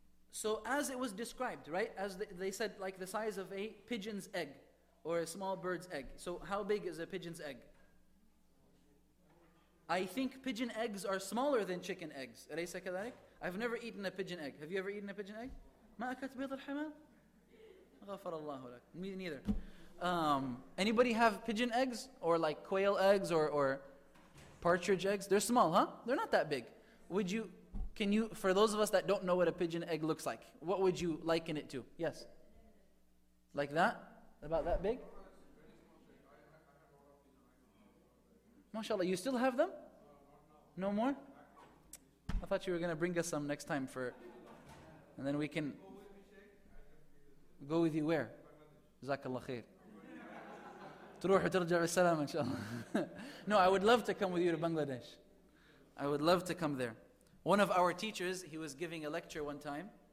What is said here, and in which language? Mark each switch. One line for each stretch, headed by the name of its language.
English: So as it was described, right? As they said, like the size of a pigeon's egg or a small bird's egg. So how big is a pigeon's egg? I think pigeon eggs are smaller than chicken eggs.
Arabic: أليسَ كذلك؟
English: I've never eaten a pigeon egg. Have you ever eaten a pigeon egg?
Arabic: ما أكلت بيض الحمام؟ غفر الله لك.
English: Me neither. Anybody have pigeon eggs or like quail eggs or partridge eggs? They're small, huh? They're not that big. Would you? Can you? For those of us that don't know what a pigeon egg looks like, what would you liken it to? Yes. Like that? About that big? MashaAllah, you still have them? No more? I thought you were going to bring us some next time for... And then we can... Go with you where?
Arabic: Jazakallah khair. تروح وترجع بالسلامة إن شاء الله.
English: No, I would love to come with you to Bangladesh. I would love to come there. One of our teachers, he was giving a lecture one time.